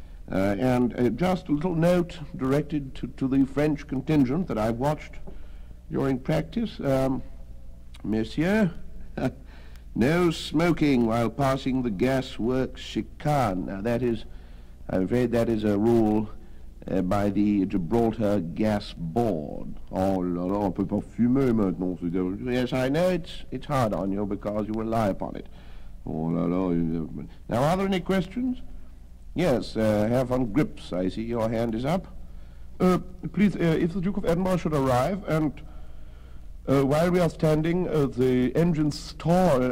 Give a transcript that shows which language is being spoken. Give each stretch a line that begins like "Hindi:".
English: Just a little note directed to the French contingent that I've watched during practice. Monsieur, no smoking while passing the gas works chicane. Now, I'm afraid that is a rule By the Gibraltar Gas Board.
French: Oh, là là, on peut pas fumer maintenant, c'est dangereux.
English: Yes, I know it's hard on you because you rely upon it.
French: Oh, là là.
English: Now, are there any questions? Yes, Herr von Grips, I see your hand is up. Please, if the Duke of Edinburgh should arrive, and while we are standing, the engines stall.